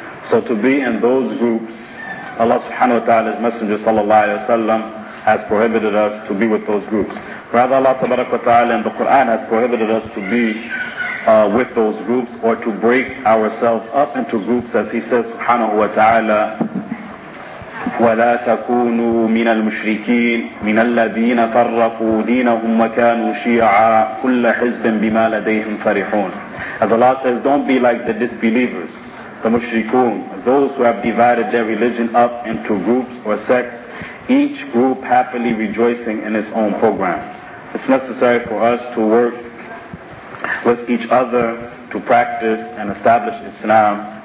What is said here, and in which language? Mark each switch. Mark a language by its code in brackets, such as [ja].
[en] So to be in those groups, Allah subhanahu wa ta'ala's Messenger sallallahu alayhi wa sallam has prohibited us to be with those groups. Rather, Allah tabarak wa ta'ala in the Quran has prohibited us to be with those groups, or to break ourselves up into groups, as he says subhanahu wa ta'ala, [ar] ولا تكونوا من المشركين من الذين فرقوا دينهم وكانوا شيعا كل حزب بما لديهم فرحون. [en] As Allah says, don't be like the disbelievers, the mushrikun, those who have divided their religion up into groups or sects, each group happily rejoicing in its own program. It's necessary for us to work with each other to practice and establish Islam.